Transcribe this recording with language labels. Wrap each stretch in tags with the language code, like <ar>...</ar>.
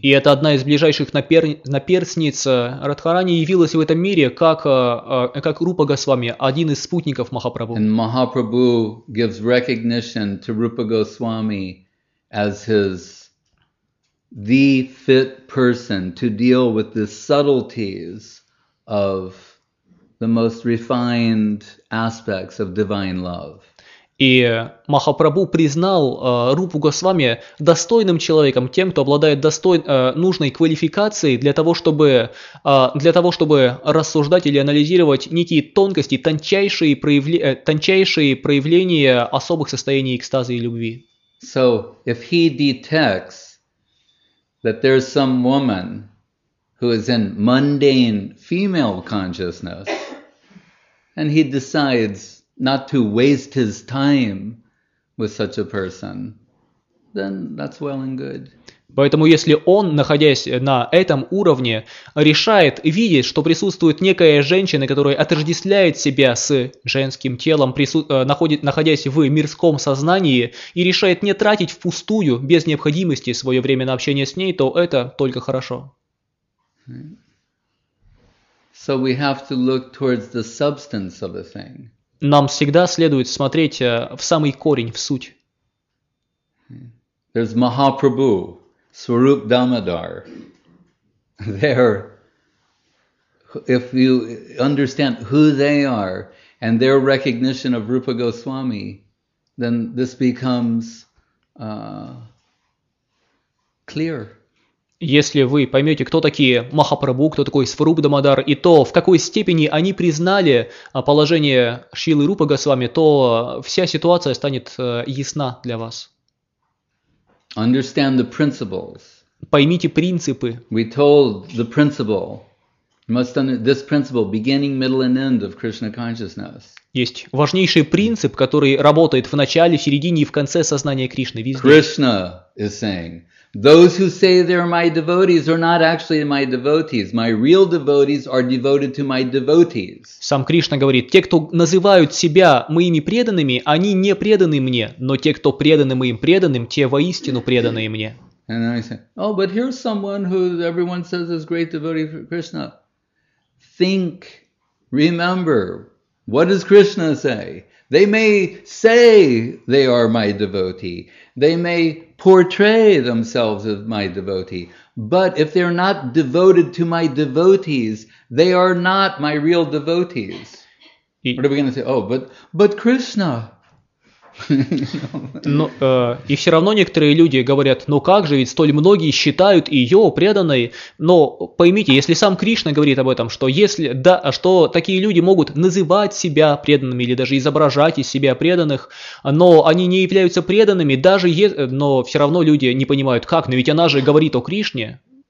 <ru>И это одна из ближайших наперсниц Радхарани явилась в этом мире как Рупа Госвами, один из спутников Махапрабху.</ru> <en>And Mahaprabhu gives recognition to Rupa Goswami as his the fit person to deal with the subtleties of the most refined aspects of divine love.</en> <ru>И Махапрабху признал Рупу Госвами достойным человеком, тем, кто обладает нужной квалификацией для того, чтобы рассуждать или анализировать некие тонкости, тончайшие проявления особых состояний экстаза и любви.</ru> <en>So, if he detects that there's some woman who is in mundane female consciousness, and he decides not to waste his time with such a person, then that's well and good.</en> <ru>Поэтому если он, находясь на этом уровне, решает видеть, что присутствует некая женщина, которая отождествляет себя с женским телом, находясь в мирском сознании, и решает не тратить впустую, без необходимости, свое время на общение с ней, то это только хорошо.</ru> <en>So we have to look towards the substance of the thing.</en> <ru>Нам всегда следует смотреть в самый корень, в суть.</ru> <en>There's Mahaprabhu. Swarup Damodar, there, if you understand who they are and their recognition of Rupa Goswami, then this becomes clear.</en> <ru>Если вы поймете, кто такие Махапрабху, кто такой Сварупа Дамодар, и то, в какой степени они признали положение Шрилы Рупа Госвами, то вся ситуация станет ясна для вас.</ru> <en>Understand the principles.</en> <ru>Поймите принципы.</ru> <en>We told the principle Must understand this principle, beginning, middle, and end of Krishna consciousness.</en> <ru>Есть важнейший принцип, который работает в начале, середине и в конце сознания Кришны.</ru> <en>Krishna is saying, those who say they're my devotees are not actually my devotees. My real devotees are devoted to my devotees.</en> <ru>Сам Кришна говорит, те, кто называют себя моими преданными, они не преданы мне, но те, кто преданы моим преданным, те воистину преданы мне.</ru> <en>And then I say, oh, but here's someone who everyone says is great devotee for Krishna. Think, remember, what does Krishna say? They may say they are my devotee. They may portray themselves as my devotee. But if they're not devoted to my devotees, they are not my real devotees. What are we going to say? Oh, but Krishna...</en> <ru>Но, и все равно некоторые люди говорят, ну как же, ведь столь многие считают ее преданной. Но поймите, если сам Кришна говорит об этом, что, если, да, что такие люди могут называть себя преданными или даже изображать из себя преданных, но они не являются преданными, даже но все равно люди не понимают, как, но ведь она же говорит о Кришне.</ru>